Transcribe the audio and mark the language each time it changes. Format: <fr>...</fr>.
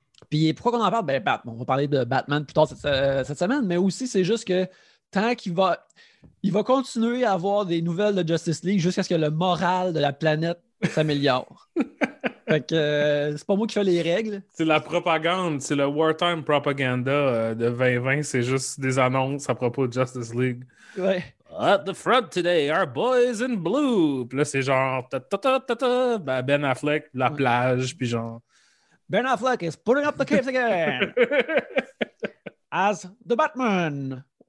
<fr>Puis pourquoi on en parle? Ben, on va parler de Batman plus tard cette semaine, mais aussi c'est juste que tant qu'il va. Il va continuer à avoir des nouvelles de Justice League jusqu'à ce que le moral de la planète s'améliore. Fait que c'est pas moi qui fais les règles. C'est la propagande, c'est le</fr> <en>wartime propaganda</en> <fr>de 2020. C'est juste des annonces à propos de Justice League. Ouais.</fr> <en>At the front today, our boys in blue.</en> <fr>Puis là, c'est genre ta-ta-ta-ta-ta, Ben Affleck, la plage, puis genre.</fr> <en>Ben Affleck is putting up the capes again as the Batman.</en>